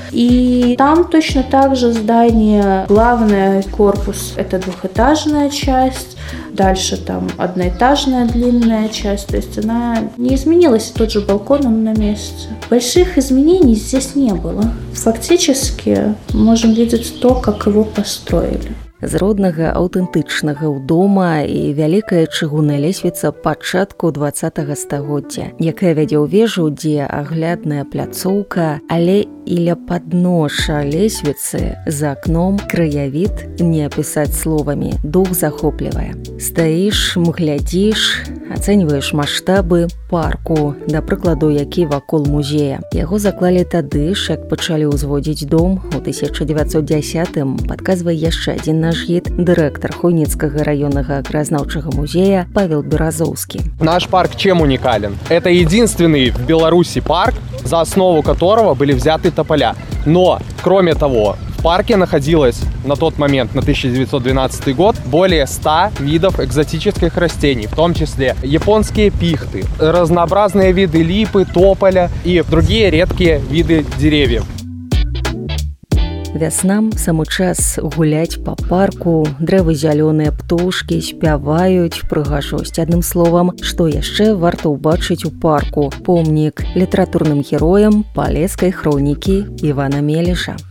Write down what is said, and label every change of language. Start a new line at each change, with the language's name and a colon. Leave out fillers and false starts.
Russian: И там точно так же здание, главный корпус – это двухэтажная часть, дальше там одноэтажная длинная часть, то есть она не изменилась, тот же балкон, он на месте. Больших изменений здесь не было. Фактически можем видеть то, как его построили.
Belarusian: З роднага аўтэнтычнага ў дома і вялікая чыгунная лесвіца пачатку 20-га стагоддзя, якая вядзе ў вежу, дзе аглядная пляцоўка, але і ля падноша лесвіцы за акном краявід, не апісаць словамі, дух захоплівае. Стаіш, глядзіш, ацэньваеш маштабы парку, да прыкладу, які вакол музея. Яго заклалі тады ж, як пачалі ўзводзіць дом у 1910-м, падказвае яшчэ адзін наш гід, дырэктар Хойніцкага раённага краязнаўчага музея Павел Беразоўскі.
Russian: Наш парк чым унікален? Это единственный в Беларусі парк, за аснову которого былі взяты тополя. Но, кроме того, в парке находилось на тот момент, на 1912 год, более 100 видов экзотических растений, в том числе японские пихты, разнообразные виды липы, тополя и другие редкие виды деревьев.
Belarusian: Вяснам самы час гуляць па парку, дрэвы зялёныя, птушкі спяваюць, прыгажосць. Адным словам, што яшчэ варта ўбачыць у парку? Помнік літаратурным героям палескай хронікі Івана Меліша.